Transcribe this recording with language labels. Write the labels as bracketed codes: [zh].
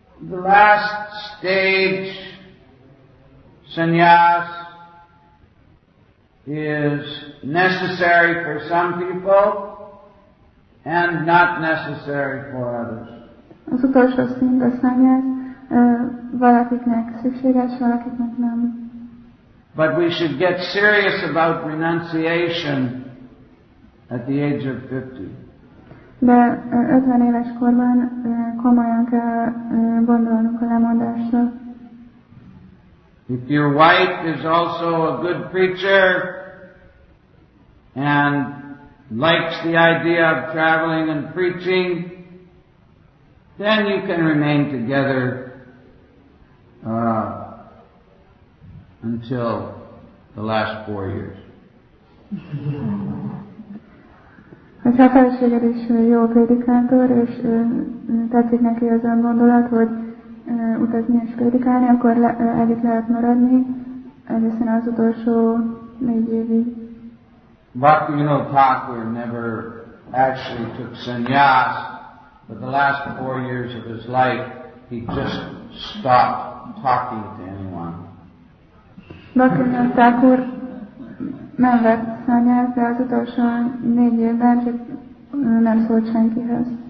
[en] The last stage, sannyas, is necessary for some people and not necessary for others. [hu] Az utolsó szint a sannyas, valakiknek szükséges, valakiknek nem. [en] But we should get serious about renunciation at the age of 50. [hu] De 50 éves korban komolyan kell gondolnunk a lemondásra. [en] If your wife is also a good preacher and likes the idea of traveling and preaching, then you can remain together until the last 4 years. [hu] Hogyha a feleséged is jó prédikátor, és tetszik neki az ön gondolat, hogy utazni és prédikálni, akkor együtt lehet maradni egészen az utolsó 4 évig. [en] Bhaktivinoda Thakur never actually took sannyas, but the last 4 years of his life he just stopped talking to anyone. [hu] Bhaktivinoda Thakur nem vett sannyas, de az utolsó 4 évben csak nem szólt senkihez.